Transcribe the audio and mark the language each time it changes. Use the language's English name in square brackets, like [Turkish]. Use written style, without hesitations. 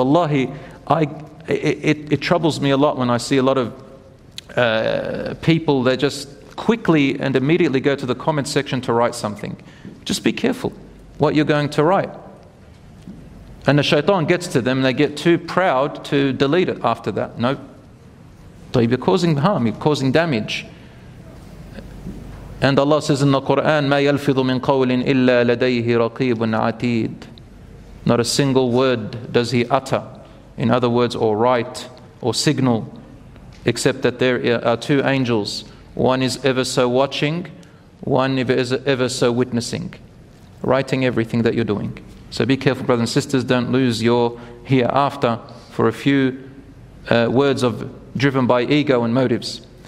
[English] Wallahi, it troubles me a lot when I see a lot of people that just quickly and immediately go to the comment section to write something. Just be careful what you're going to write. And the shaitan gets to them and they get too proud to delete it after that. Nope. So you're causing harm, you're causing damage. And Allah says in the Quran, [Arabic] مَا يَلْفِظُ مِنْ قَوْلٍ إِلَّا لَدَيْهِ رَقِيبٌ عَتِيدٌ. [English] Not a single word does he utter, in other words, or write, or signal, except that there are two angels. One is ever so watching, one ever so witnessing, writing everything that you're doing. So be careful, brothers and sisters, don't lose your hereafter for a few words of driven by ego and motives.